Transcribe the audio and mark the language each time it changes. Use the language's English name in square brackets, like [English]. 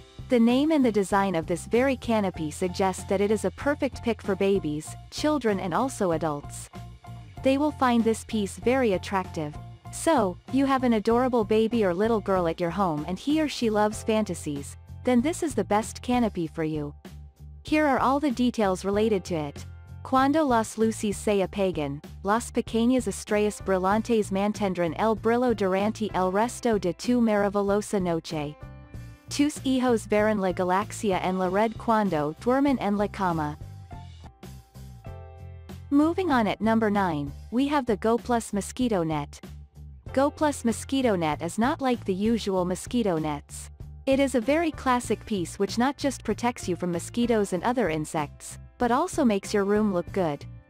[English] The name and the design of this very canopy suggest that it is a perfect pick for babies, children, and also adults. They will find this piece very attractive. So, you have an adorable baby or little girl at your home and he or she loves fantasies, then this is the best canopy for you. Here are all the details related to it. [Spanish] Cuando las luces se apagan, las pequeñas estrellas brillantes mantendrán el brillo durante el resto de tu maravillosa noche. Tus hijos verán la galaxia en la red cuando duermen en la cama. [English] Moving on at number 9, we have the Goplus Mosquito Net. Goplus Mosquito Net is not like the usual mosquito nets. It is a very classic piece which not just protects you from mosquitoes and other insects, but also makes your room look good.